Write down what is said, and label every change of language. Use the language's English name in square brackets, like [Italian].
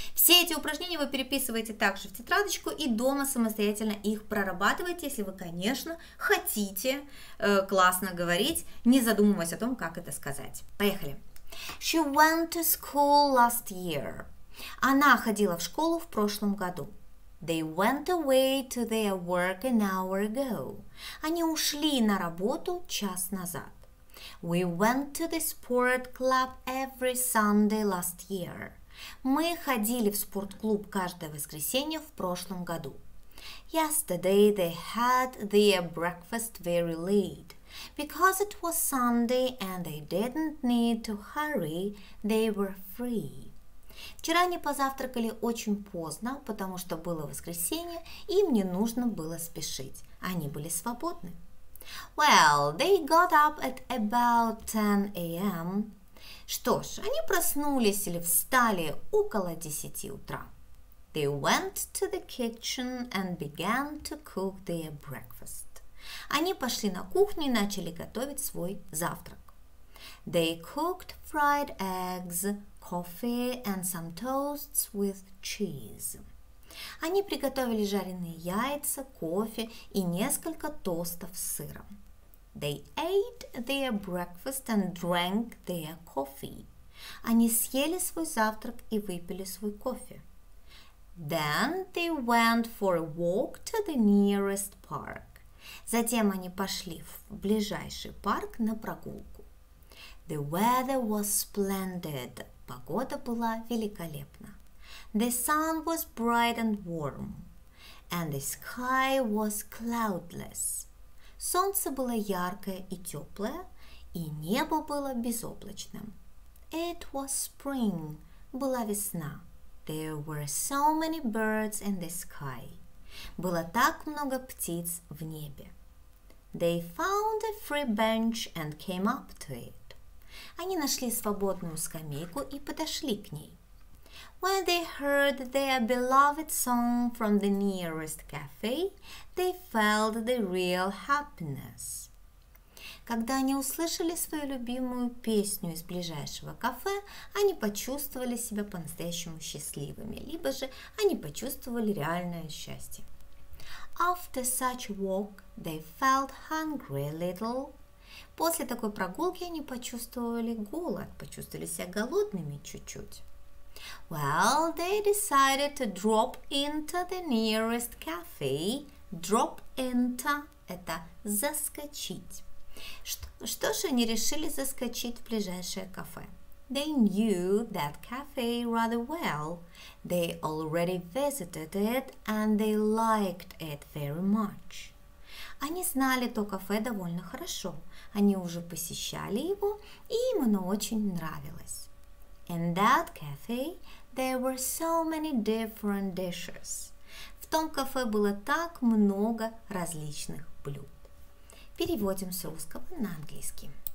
[Russian] Все эти упражнения вы переписываете также в тетрадочку и дома самостоятельно их прорабатываете, если вы, конечно, хотите классно говорить, не задумываясь о том, как это сказать. Поехали! [English] She went to school last year. [Russian] Она ходила в школу в прошлом году. [English] They went away to their work an hour ago. [Russian] Они ушли на работу час назад. [English] We went to the sport club every Sunday last year. [Russian] Мы ходили в спортклуб каждое воскресенье в прошлом году. [English] Yesterday they had their breakfast very late. Because it was Sunday and they didn't need to hurry, they were free. [Russian] Вчера они позавтракали очень поздно, потому что было воскресенье, им не нужно было спешить. Они были свободны. [English] Well, they got up at about 10 a.m. [Russian] Что ж, они проснулись или встали около 10 утра. [English] They went to the kitchen and began to cook their breakfast. [Russian] Они пошли на кухню и начали готовить свой завтрак. [English] They cooked fried eggs, coffee and some toasts with cheese. [Russian] Они приготовили жареные яйца, кофе и несколько тостов с сыром. [English] They ate their breakfast and drank their coffee. [Russian] Они съели свой завтрак и выпили свой кофе. [English] Then they went for a walk to the nearest park. [Russian] Затем они пошли в ближайший парк на прогулку. [English] The weather was splendid. [Russian] Погода была великолепна. [English] The sun was bright and warm. And the sky was cloudless. [Russian] Солнце было яркое и теплое, и небо было безоблачным. [English] It was spring. [Russian] Была весна. [English] There were so many birds in the sky. [Russian] Было так много птиц в небе. [English] They found a free bench and came up to it. [Russian] Они нашли свободную скамейку и подошли к ней. [English] When they heard their beloved song from the nearest cafe, they felt the real happiness. [Russian] Когда они услышали свою любимую песню из ближайшего кафе, они почувствовали себя по-настоящему счастливыми, либо же они почувствовали реальное счастье. [English] After such a walk, they felt hungry a little. [Russian] После такой прогулки они почувствовали голод, почувствовали себя голодными чуть-чуть. [English] Well, they decided to drop into the nearest cafe. [Russian] Drop into – это заскочить. Что же они решили заскочить в ближайшее кафе? [English] They knew that cafe rather well. They already visited it and they liked it very much. [Russian] Они знали то кафе довольно хорошо. Они уже посещали его, и им оно очень нравилось. [English] In that cafe there were so many different dishes. [Russian] В том кафе было так много различных блюд. Переводим с русского на английский.